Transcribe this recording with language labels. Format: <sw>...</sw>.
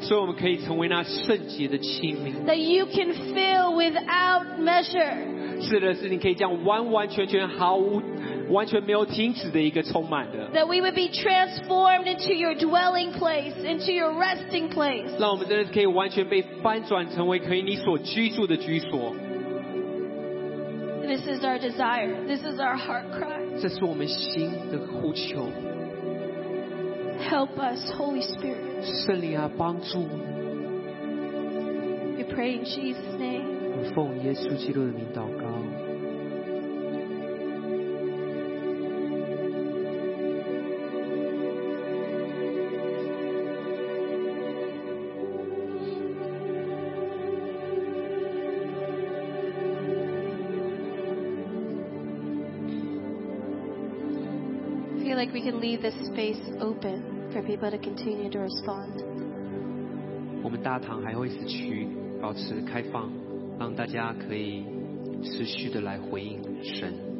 <zh>所以我们可以成为那圣洁的器皿。</zh> <en>That you can fill without measure.</en> <zh>是的，是你可以这样完完全全毫无完全没有停止的一个充满的。</zh> <en>That we would be transformed into your dwelling place, into your resting place.</en> <zh>让我们真的可以完全被翻转成为可以你所居住的居所。</zh> <en>This is our desire. This is our heart cry.</en> <zh>这是我们心的呼求。</zh> <en>Help us, Holy Spirit.</en> <zh>圣灵啊，帮助我们。</zh> <en>We pray in Jesus' name.</en> <zh>我奉耶稣基督的名祷告。</zh> <en>Like we can leave this space open for people to continue to respond.</en> <zh>我们大堂还会持续保持开放，让大家可以持续的来回应神。</zh>